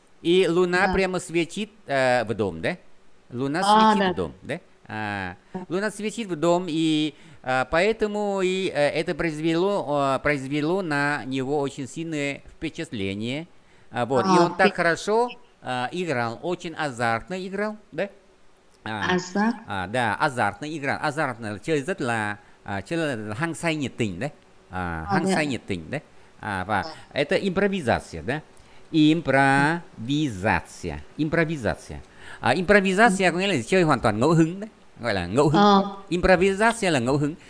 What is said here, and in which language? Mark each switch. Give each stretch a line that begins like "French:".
Russian: И луна прямо светит в дом, да? Луна светит в дом, да? Луна светит в дом, и поэтому и это произвело на него очень сильное впечатление. Вот. И он так хорошо играл, очень азартно играл, да? Азартно играл. Азартно.
Vietnamese: Chơi rất là hăng say nhiệt tình, да? Hăng say nhiệt tình, да?
Russian: Và это импровизация, да? Импровизация.
Vietnamese: А импровизация, có nghĩa là chơi hoàn toàn ngẫu hứng đấy, gọi là ngẫu hứng. Импровизация là ngẫu hứng.